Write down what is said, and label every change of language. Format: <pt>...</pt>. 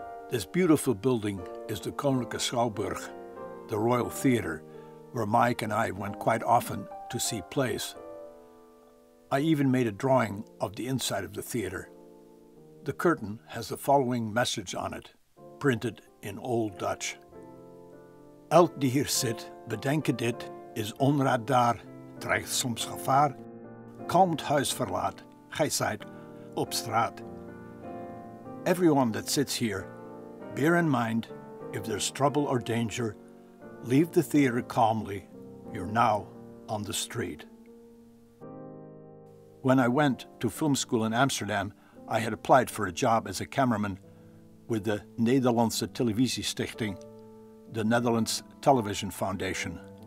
<en>This beautiful building is the Koninklijke Schouwburg, the Royal Theater, where Maaike and I went quite often to see plays. I even made a drawing of the inside of the theater. The curtain has the following message on it, printed in Old Dutch.</en> <nl>Elk die hier zit, bedenke dit, is onraad daar, dreigt soms gevaar, kalmt huis verlaat, gij zijt op straat.</nl> <en>Everyone that sits here, bear in mind, if there's trouble or danger, leave the theater calmly, you're now on the street. When I went to film school in Amsterdam, I had applied for a job as a cameraman with the Nederlandse Televisiestichting, the Netherlands Television Foundation.</en>